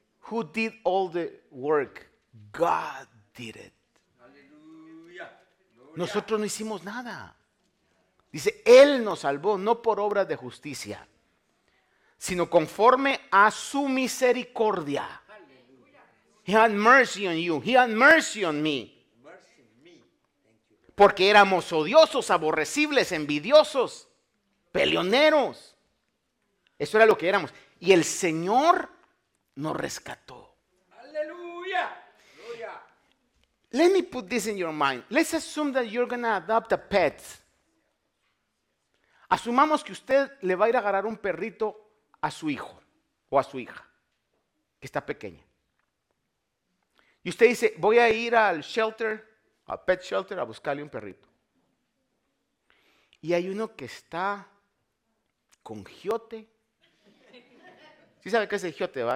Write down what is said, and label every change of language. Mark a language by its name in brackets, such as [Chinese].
[English] Who did all the work? God did it. [Spanish] Nosotros no hicimos nada. Dice, Él nos salvó, no por obras de justicia, sino conforme a su misericordia. [English] He had mercy on you, He had mercy on me. [Spanish] Porque éramos odiosos, aborrecibles, envidiosos, peleoneros. Eso era lo que éramos. Y el Señor nos rescató. Aleluya. [English] Let me put this in your mind. Let's assume that you're going to adopt a pet. [Spanish] Asumamos que usted le va a ir a agarrar un perrito a su hijo o a su hija, que está pequeña. Y usted dice, voy a ir al shelter, al pet shelter, a buscarle un perrito. Y hay uno que está con jiote. ¿Sí sabe qué es el jiote, va?